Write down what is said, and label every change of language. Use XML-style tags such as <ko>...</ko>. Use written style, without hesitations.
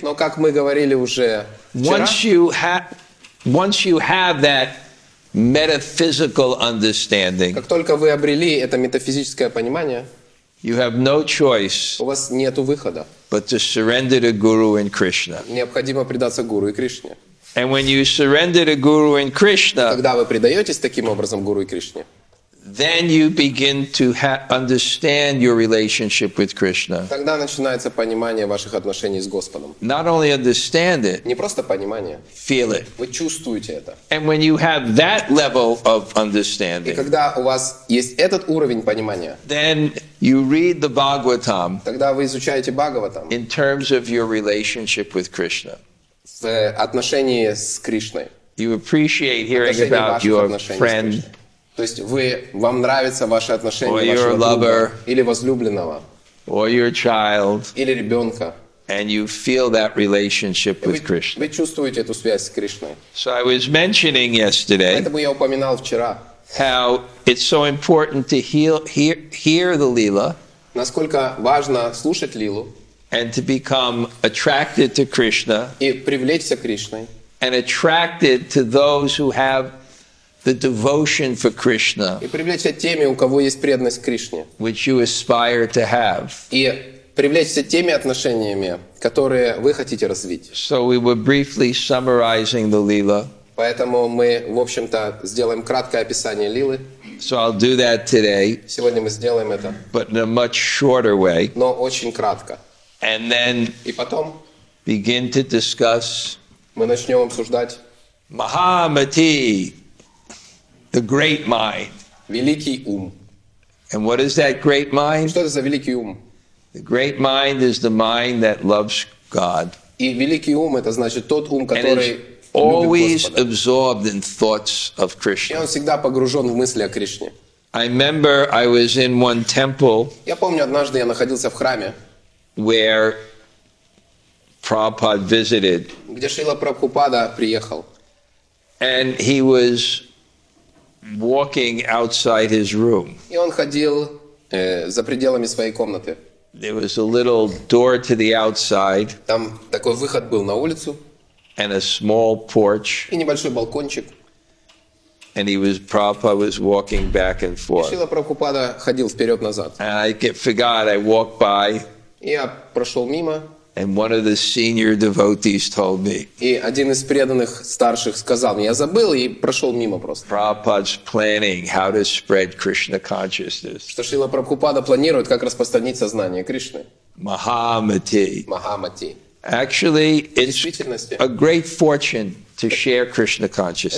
<ru>но как мы говорили уже вчера,</ru> <en>once you have that metaphysical understanding.</en> <ru>Как только вы обрели это метафизическое понимание,</ru> <en>you have no choice.</en> <ru>У вас нету выхода.</ru> <en>But to surrender to Guru and Krishna.</en> <ru>Необходимо предаться Гуру и Кришне.</ru> <en>And when you surrender to Guru and Krishna,</en> <ru>когда вы предаетесь таким образом Гуру и Кришне,</ru> <en>then you begin to understand your relationship with Krishna.</en> <ru>Тогда начинается понимание ваших отношений с Господом.</ru> <en>Not only understand it,</en> <ru>не просто понимание,</ru> <en>feel it.</en> <ru>Вы чувствуете это.</ru> <en>And when you have that level of understanding,</en> <ru>и когда у вас есть этот уровень понимания,</ru> <en>then you read the Bhagavatam,</en> <ru>тогда вы изучаете Бхагаватам,</ru> <en>in terms of your relationship with Krishna,</en> <ru>в отношении с Кришной.</ru> <en>You appreciate hearing about your friend.</en> <ru>То есть вы, вам нравятся ваши отношения</ru> <en>or</en> <ru>вашего</ru> <en>your lover,</en> <ru>друга или возлюбленного</ru> <en>or your child,</en> <ru>или ребенка.</ru> <en>And you feel that relationship with Krishna.</en> <ru>Вы чувствуете эту связь с Кришной.</ru> <en>So I was mentioning yesterday,</en> <ru>поэтому я упоминал вчера,</ru> <en>how it's so important to hear the Leela,</en> <ru>насколько важно слушать Лилу,</ru> <en>and to become attracted to Krishna,</en> <ru>и привлечься к Кришне,</ru> <en>and attracted to those who have the devotion for Krishna,</en> <ru>и привлечься теми, у кого есть преданность к Кришне,</ru> <en>which you aspire to have,</en> <ru>и привлечься теми отношениями, которые вы хотите развить.</ru> <en>So we were briefly summarizing the Leela.</en> <ru>Поэтому мы, в общем-то, сделаем краткое описание Лилы.</ru> <en>So I'll do that today.</en> <ru>Сегодня мы сделаем это.</ru> <en>But in a much shorter way.</en> <ru>Но очень кратко.</ru> <en>And then,</en> <ru>и потом,</ru> <en>begin to discuss,</en> <ru>мы начнем обсуждать</ru> <en>Mahamati, the great mind.</en> <ru>Великий ум.</ru> <en>And what is that great mind?</en> <ru>Что это за великий ум?</ru> <en>The great mind is the mind that loves God.</en> <ru>И великий ум это значит тот ум, который любит Господа.</ru> <en>Always absorbed in thoughts of Krishna.</en> <ru>И он всегда погружен в мысли о Кришне.</ru> <en>I remember I was in one temple.</en> <ru>Я помню, однажды я находился в храме,</ru> <en>where Prabhupada visited.</en> <ru>Где Шрила Прабхупада приехал.</ru> <en>And he was walking outside his room.</en> <ru>И он ходил за пределами своей комнаты.</ru> <en>There was a little door to the outside.</en> <ru>Там такой выход был на улицу.</ru> <en>And a small porch.</en> <ru>И небольшой балкончик.</ru> <en>And Prabhupada was walking back and forth.</en> <ru>И Шрила Прабхупада ходил вперед-назад.</ru> <en>And I walked by.</en> <ru>Я прошел мимо.</ru> <en>And one of the senior devotees told me.</en> <ru>И один из преданных старших сказал мне, я забыл и прошел мимо просто.</ru> <en>Prabhupada's planning how to spread Krishna consciousness.</en> <ru>Что Шрила Прабхупада планирует, как распространить сознание Кришны.</ru> <sa>Mahamati. Mahamati.</sa> <en>Actually, it's a great fortune to share Krishna consciousness.</en>